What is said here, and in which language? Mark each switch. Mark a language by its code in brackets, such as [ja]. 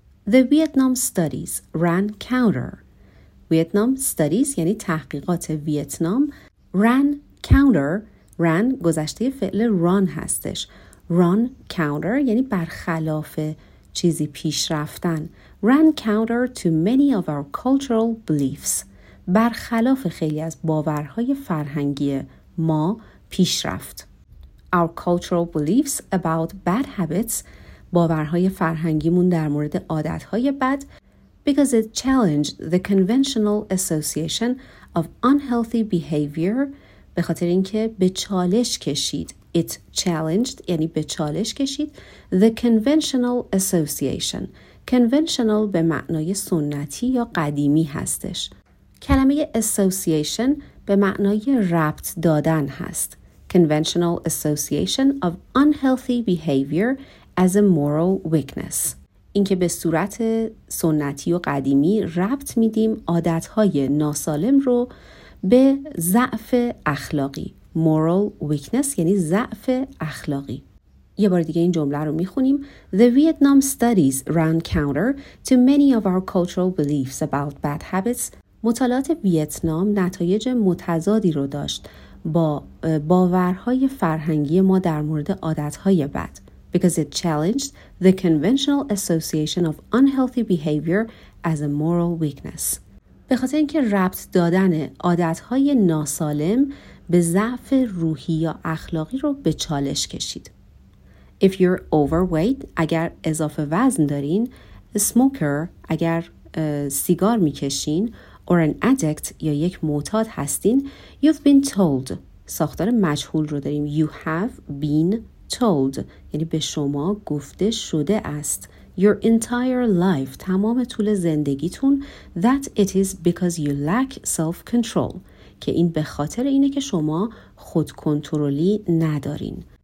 [en] The Vietnam studies ran counter. Vietnam studies [fa] یعنی تحقیقات ویتنام. [en] Ran counter. Ran [fa] گذشته فعل run هستش. [en] Run counter [fa] یعنی برخلاف چیزی پیش رفتن. [en] Ran counter to many of our cultural beliefs. [fa] برخلاف خیلی از باورهای فرهنگی ما پیش رفت. [en] Our cultural beliefs about bad habits, [fa] باورهای فرهنگیمون در مورد عادتهای بد, [en] because it challenged the conventional association of unhealthy behavior, [fa] به خاطر اینکه به چالش کشید. [en] It challenged, [fa] یعنی به چالش کشید, [en] the conventional association. [fa] Conventional به معنای سنتی یا قدیمی هستش. کلمه association به معنای ربط دادن هست. [en] Conventional association of unhealthy behavior as a moral weakness. [fa] این که به صورت سنتی و قدیمی ربط میدیم عادتهای ناسالم رو به ضعف اخلاقی. [en] Moral weakness [fa] یعنی ضعف اخلاقی. یه بار دیگه این جمله رو میخونیم. [en] The Vietnam studies ran counter to many of our cultural beliefs about bad habits. [fa] مطالعات ویتنام نتایج متضادی رو داشت با باورهای فرهنگی ما در مورد عادتهای بد. [en] Because it challenged the conventional association of unhealthy behavior as a moral weakness. [fa] به خاطر اینکه ربط دادن عادتهای ناسالم به ضعف روحی یا اخلاقی رو به چالش کشید. [en] If you're overweight, [fa] اگر اضافه وزن دارین, [en] a smoker, [fa] اگر سیگار میکشین, [en] or an addict [fa] یا یک معتاد هستین, [en] you've been told, [fa] ساختار مجهول رو داریم, [en] you have been told, [fa] یعنی به شما گفته شده است, [en] your entire life, [fa] تمام طول زندگیتون, [en] that it is because you lack self-control, [fa] که این به خاطر اینه که شما خودکنترلی ندارین.